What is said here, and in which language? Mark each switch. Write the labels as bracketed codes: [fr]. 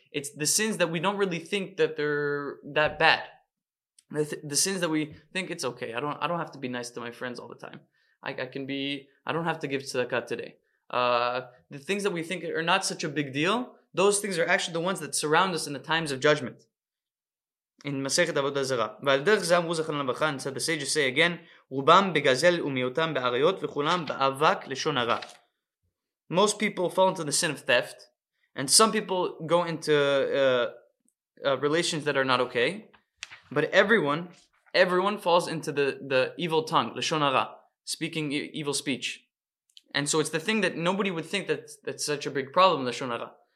[en] It's the sins that we don't really think that they're that bad. The sins that we think it's okay. I don't have to be nice to my friends all the time. I don't have to give tzedakah today. The things that we think are not such a big deal, those things are actually the ones that surround us in the times of judgment. In Masechet Avodah Zarah. [he] ועל דרך זה אמרו זכרונם לברכה, [en] and the sages say again, [he] רובם בגזל ומיעוטם בעריות וכולם באבק לשון הרע. [en] Most people fall into the sin of theft, and some people go into relations that are not okay, but everyone falls into the evil tongue, lashon hara, speaking evil speech. And so it's the thing that nobody would think that's such a big problem, lashon hara.